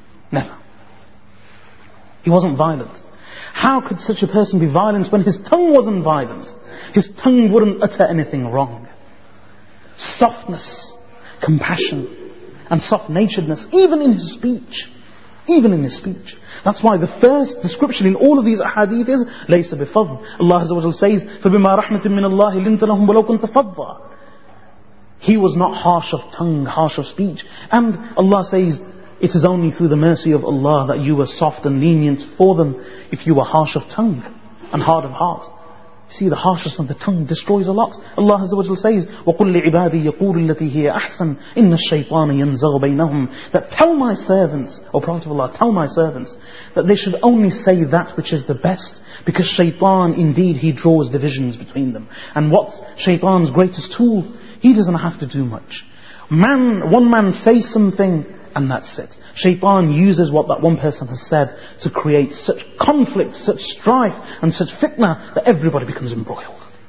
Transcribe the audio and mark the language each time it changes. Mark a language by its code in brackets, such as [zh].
[en] Never. He wasn't violent. How could such a person be violent when his tongue wasn't violent? His tongue wouldn't utter anything wrong. Softness, compassion, and soft-naturedness, even in his speech. Even in his speech. That's why the first description in all of these ahadith is [ar] لَيْسَ بِفَضْلٍ. Allah Azza wa Jalla says, فَبِمَا رَحْمَةٍ مِّنَ اللَّهِ لِنْتَ لَهُمْ وَلَوْ كُنْتَ فَضَّى. [en] He was not harsh of tongue, harsh of speech. And Allah says, it is only through the mercy of Allah that you were soft and lenient for them if you were harsh of tongue and hard of heart. See, the harshness of the tongue destroys a lot. [ar] Allah Azza wa Jalla says, وَقُلْ لِعِبَادِي يَقُولُ الَّتِي هِيَ أَحْسَنُ إِنَّ الشَّيْطَانَ يَنْزَغُ بَيْنَهُمْ. [en] That tell my servants, O Prophet of Allah, tell my servants that they should only say that which is the best, because shaytan, indeed, he draws divisions between them. And what's shaytan's greatest tool? He doesn't have to do much. One man says something, and that's it. Shaytan uses what that one person has said to create such conflict, such strife, and such fitnah that everybody becomes embroiled.